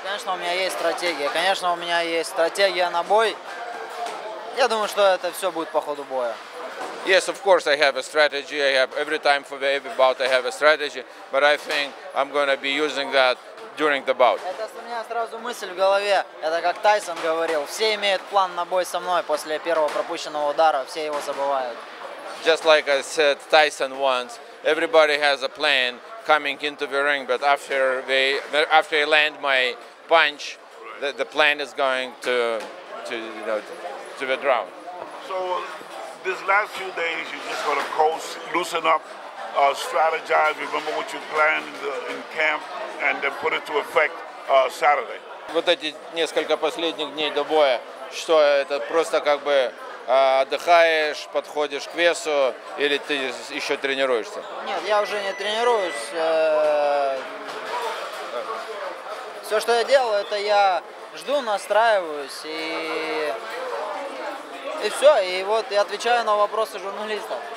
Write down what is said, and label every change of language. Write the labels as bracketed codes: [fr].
[ru] Конечно, у меня есть стратегия. Конечно, у меня есть стратегия на бой. Я думаю, что это все будет по ходу боя. [en] Yes, of course, I have a strategy. I have every time for the every bout, I have a strategy. But I think I'm going to be using that during the bout. [ru] Это у меня сразу мысль в голове. Это как Тайсон говорил. Все имеют план на бой со мной после первого пропущенного удара. Все его забывают. [en] Just like I said, Tyson once, everybody has a plan coming into the ring, but after they land my punch, the plan is going to the ground. So this last few days you just gotta coast, loosen up, strategize, remember what you planned in camp, and then put it to effect Saturday. [ru] Вот эти несколько последних дней до боя, что это просто как бы отдыхаешь, подходишь к весу, или ты еще тренируешься? Нет, я уже не тренируюсь. Все, что я делаю, это я жду, настраиваюсь и все, и вот я отвечаю на вопросы журналистов.